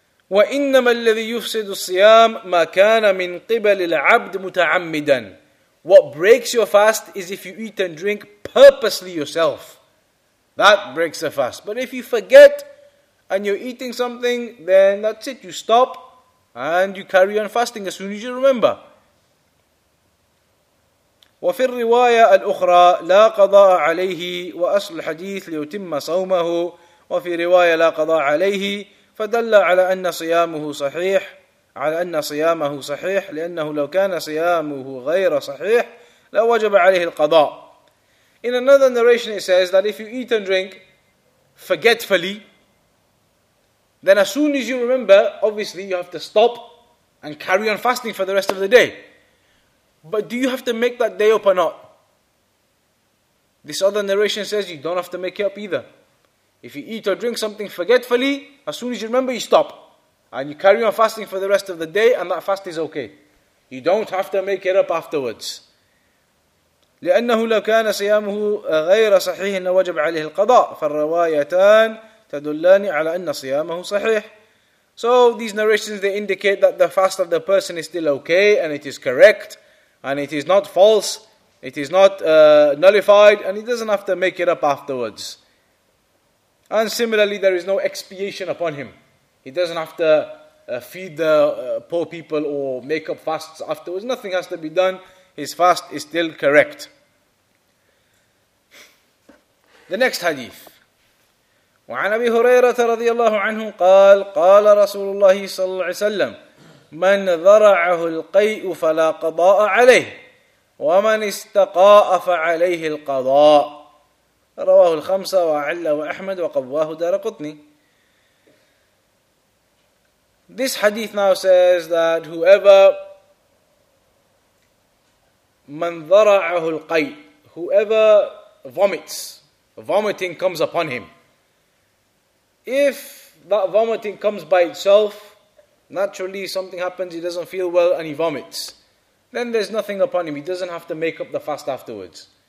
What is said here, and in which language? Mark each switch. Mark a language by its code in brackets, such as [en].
[ar] وَإِنَّمَا الَّذِي يُفْسِدُ الصِّيَامَ مَا كَانَ مِنْ قِبَلِ الْعَبْدِ مُتَعَمِّدًا. [en] What breaks your fast is if you eat and drink purposely yourself. That breaks the fast. But if you forget and you're eating something, then that's it. You stop and you carry on fasting as soon as you remember. [ar] وَفِي الرِّوَايَةِ الْأُخْرَى لَا قَضَاءَ عَلَيْهِ وَأَصْلُ الْحَدِيثِ لِيُتِمَّ صَوْمَهُ وَفِي رِوَايَةِ لَا قَضَاءَ عَلَيْهِ فدل على أن صيامه صحيح على أن صيامه صحيح لأنه لو كان صيامه غير صحيح لوجب عليه القضاء. [en] In another narration it says that if you eat and drink forgetfully, then as soon as you remember, obviously you have to stop and carry on fasting for the rest of the day. But do you have to make that day up or not? This other narration says you don't have to make it up either. If you eat or drink something forgetfully, as soon as you remember, you stop. And you carry on fasting for the rest of the day, and that fast is okay. You don't have to make it up afterwards. [ar] لأنه لو كان صيامه غير صحيح لوجب عليه القضاء. فالروايتان تدلان على أن صيامه صحيح. [en] So these narrations, they indicate that the fast of the person is still okay, and it is correct, and it is not false, it is not nullified, and he doesn't have to make it up afterwards. And similarly, there is no expiation upon him. He doesn't have to feed the poor people or make up fasts afterwards. Nothing has to be done. His fast is still correct. The next hadith. [ar] وعن أبي هريرة رضي الله عنه قال قال رسول الله صلى الله عليه وسلم من ذرعه القيء فلا قضاء عليه ومن استقاء فعليه القضاء. رواه الخمسة وعلى وأحمد وقواه دارقطني. [en] This hadith now says that whoever [ar] من ذرعه القيء, [en] whoever vomiting comes upon him, if that vomiting comes by itself, naturally something happens, he doesn't feel well and he vomits, then there's nothing upon him, he doesn't have to make up the fast afterwards.